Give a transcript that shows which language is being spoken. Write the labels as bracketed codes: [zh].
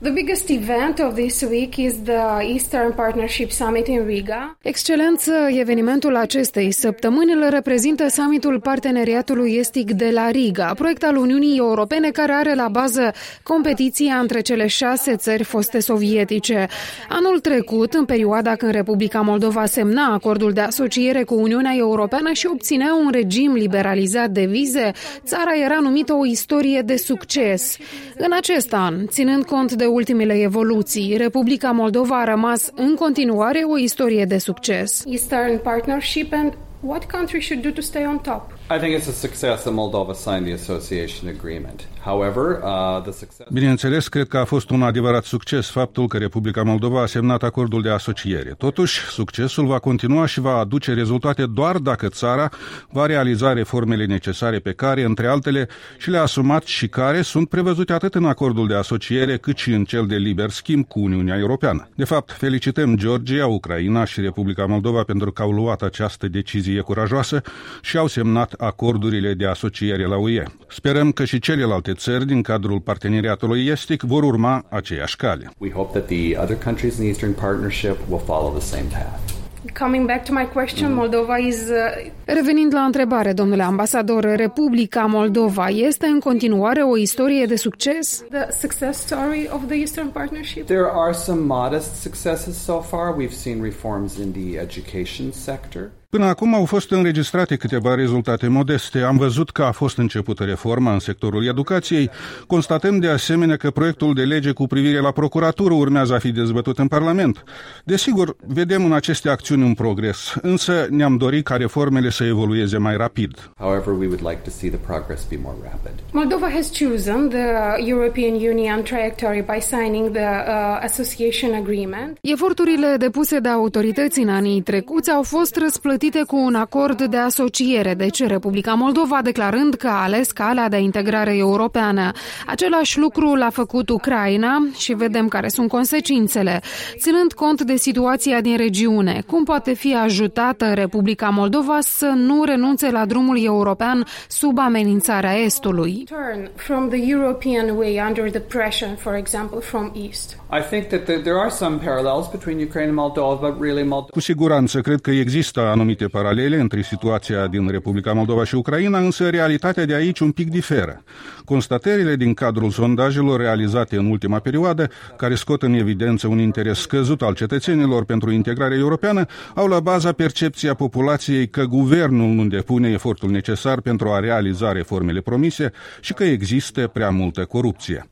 [en] The biggest event of this week is the Eastern Partnership Summit in Riga. [ro] Excelență, evenimentul acestei săptămâni îl reprezintă summitul Parteneriatului Estic de la Riga, proiect al Uniunii Europene care are la bază competiția între cele 6 țări foste sovietice. Anul trecut, în perioada când Republica Moldova semna acordul de asociere cu Uniunea Europeană și obținea un regim liberalizat de vize, țara era numită o istorie de succes. În acest an, ținând cont de ultimele evoluții, Republica Moldova a rămas în continuare o istorie de succes. [en] Eastern Partnership and what country should do to stay on top? I think it's a success that Moldova signed the association agreement. However, the success. [ro] Bineînțeles, cred că a fost un adevărat succes faptul că Republica Moldova a semnat acordul de asociere. Totuși, succesul va continua și va aduce rezultate doar dacă țara va realiza reformele necesare pe care, între altele, și le-a asumat și care sunt prevăzute atât în acordul de asociere, cât și în cel de liber schimb cu Uniunea Europeană. De fapt, felicităm Georgia, Ucraina și Republica Moldova pentru că au luat această decizie curajoasă și au semnat acordurile de asociere la UE. Sperăm că și celelalte țări din cadrul parteneriatului estic vor urma aceeași cale. [en] We hope that the other countries in the Eastern Partnership will follow the same path. Coming back to my question, Moldova is. [ro] Revenind la întrebare, domnule ambasador, Republica Moldova este în continuare o istorie de succes? [en] The success story of the Eastern Partnership. There are some modest successes so far. We've seen reforms in the education sector. [ro] Până acum au fost înregistrate câteva rezultate modeste. Am văzut că a fost începută reforma în sectorul educației. Constatăm de asemenea că proiectul de lege cu privire la procuratură urmează a fi dezbătut în Parlament. Desigur, vedem în aceste acțiuni un progres, însă ne-am dorit ca reformele să evolueze mai rapid. [en] However, we would like to see the progress be more rapid. Moldova has chosen the European Union trajectory by signing the association agreement. [ro] Eforturile depuse de autorități în anii trecuți au fost plătite cu un acord de asociere, deci Republica Moldova declarând că a ales calea de integrare europeană. Același lucru l-a făcut Ucraina și vedem care sunt consecințele. Ținând cont de situația din regiune, cum poate fi ajutată Republica Moldova să nu renunțe la drumul european sub amenințarea Estului? [en] From the European way under the pressure, for example, from East. I think that there are some parallels between Ukraine and Moldova, but really Moldova. [ro] Cu siguranță cred că există anumite paralele între situația din Republica Moldova și Ucraina, însă realitatea de aici un pic diferă. Constatările din cadrul sondajelor realizate în ultima perioadă, care scot în evidență un interes scăzut al cetățenilor pentru integrarea europeană, au la bază percepția populației că guvernul nu depune efortul necesar pentru a realiza reformele promise și că există prea multă corupție.